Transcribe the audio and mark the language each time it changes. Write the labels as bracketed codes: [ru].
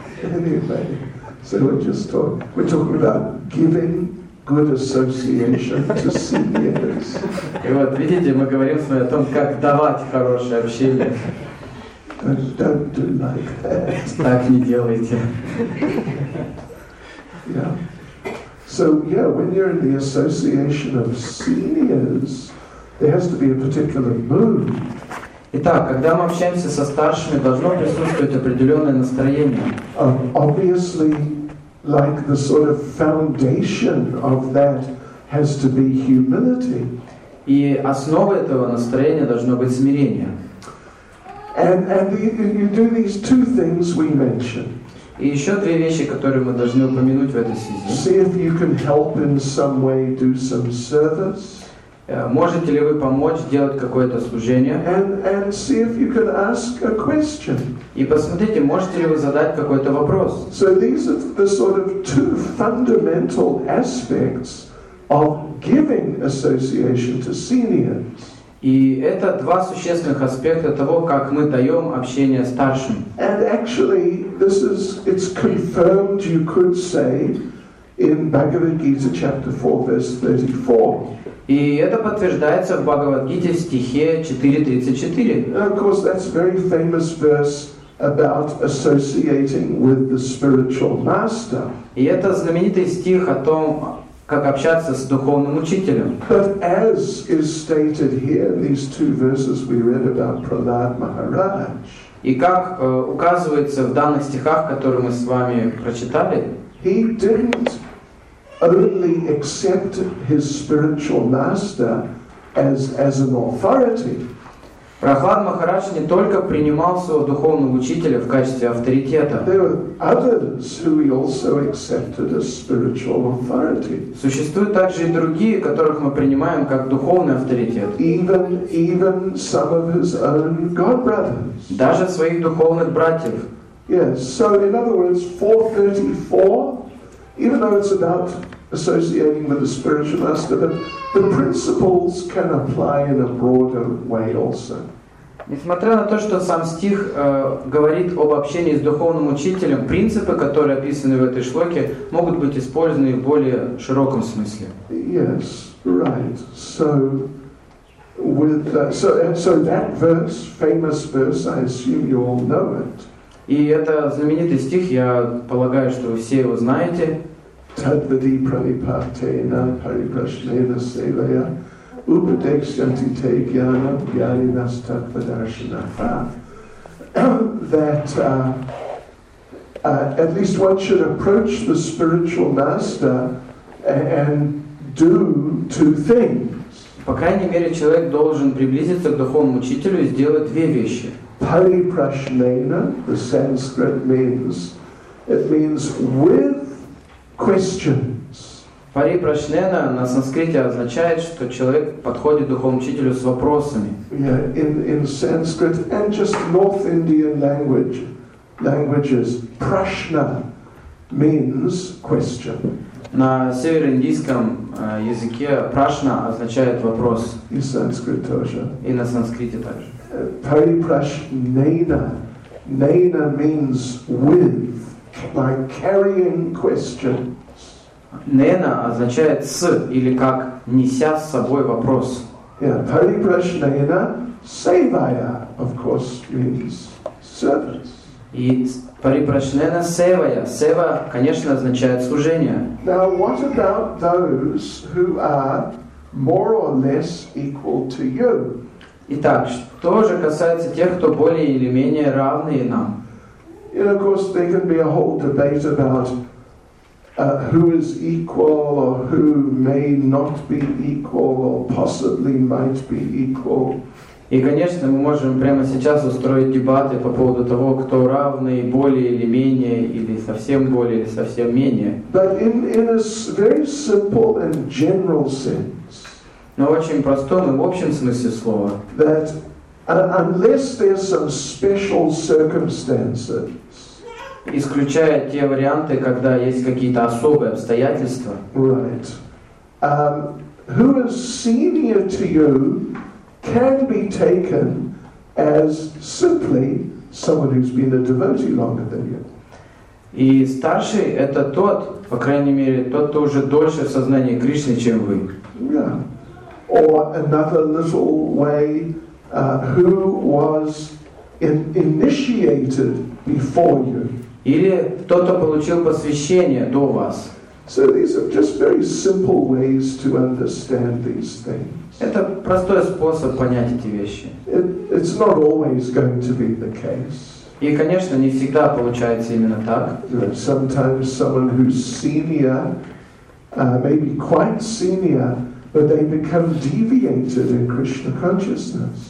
[en] Anyway, so we're talking about giving good association to seniors. [ru] И вот видите, мы говорим с вами о том, как давать хорошее общение. [en] Don't do like that. [ru] Так не делайте. [en] Yeah. So yeah, when you're in the association of seniors, there has to be a particular mood. [ru] Итак, когда мы общаемся со старшими, должно присутствовать определенное настроение. [en] Obviously, like the sort of foundation of that has to be humility. [ru] И основой этого настроения должно быть смирение. [en] And you do these two things we mentioned. [ru] И еще две вещи, которые мы должны упомянуть в этой связи. [en] See if you can help in some way do some service. [ru] Можете ли вы помочь делать какое-то служение? [en] And see if you can ask a question. [ru] И посмотрите, можете ли вы задать какой-то вопрос. [en] So these are the sort of two fundamental aspects of giving association to seniors. [ru] И это два существенных аспекта того, как мы даем общение старшим. [en] And actually, this is, it's confirmed, you could say, in Bhagavad Gita, chapter 4, verse 34. [ru] И это подтверждается в Бхагавад-гите, стихе 4.34. [en] Of course, that's a very famous verse about associating with the spiritual master. [ru] И это знаменитый стих о том, как общаться с духовным учителем. [en] But as is stated here in these two verses we read about Prahlad Maharaj, [ru] и как указывается в данных стихах, которые мы с вами прочитали, [en] he didn't only accept his spiritual master as an authority. [ru] Прахлад Махарадж не только принимал своего духовного учителя в качестве авторитета. [en] There were others who he also accepted as spiritual authority. [ru] Существуют также и другие, которых мы принимаем как духовный авторитет. [en] Even some of his own god brothers. [ru] Даже своих духовных братьев. [en] Yes, so in other words, 434, even though it's about associating with the spiritual master, but the principles can apply in a broader way also. [ru] Несмотря на то, что сам стих говорит об общении с духовным учителем, принципы, которые описаны в этой шлоке, могут быть использованы в более широком смысле. [en] Yes, right. So, with so that verse, famous verse, I assume you all know it. [ru] И это знаменитый стих, я полагаю, что вы все его знаете. [sa] Tadvadi pranipatena pariprasnena sevaya upadeksyanti te jnana jnanas tatvadarshana. [en] That at least one should approach the spiritual master and do two things. [ru] По крайней мере, человек должен приблизиться к духовному учителю и сделать две вещи. [en] Pariprasnena, the Sanskrit means, it means with questions. [ru] Парипрашнена на санскрите означает, что человек подходит к духовному учителю с вопросами. [en] Yeah, in Sanskrit and just North Indian languages, prashna means question. [ru] На североиндийском языке прашна означает вопрос. [en] In Sanskrit [ru] тоже. И на санскрите также. [en] Парипрашнена. Нена means with, like carrying question. [ru] Нена означает с или как неся с собой вопрос. [en] Yeah, парипрашнена севая, of course, means service. [ru] И парипрашнена севая, сева, конечно, означает служение. [en] Now, what about those who are more or less equal to you? [ru] Итак, что же касается тех, кто более или менее равны нам? [en] You know, of course, there can be a whole debate about who is equal or who may not be equal or possibly might be equal. [ru] И, конечно, мы можем прямо сейчас устроить дебаты по поводу того, кто равный, более или менее, или совсем более, или совсем менее. [en] But in a very simple and general sense. [ru] Но в очень простом и в общем смысле слова. [en] That unless there's some special circumstances. [ru] Исключая те варианты, когда есть какие-то особые обстоятельства. [en] Right. Who is senior to you? Can be taken as simply someone who's been a devotee longer than you. [ru] И старший это тот, по крайней мере, тот, кто уже дольше в сознании Кришны, чем вы. [en] Yeah. Or another little way, who was initiated before you. [ru] Или тот, кто получил посвящение до вас. [en] So these are just very simple ways to understand these things. [ru] Это простой способ понять эти вещи. [en] It's not always going to be the case. [ru] И, конечно, не всегда получается именно так. [en] Sometimes someone who's senior, maybe quite senior, but they become deviated in Krishna consciousness.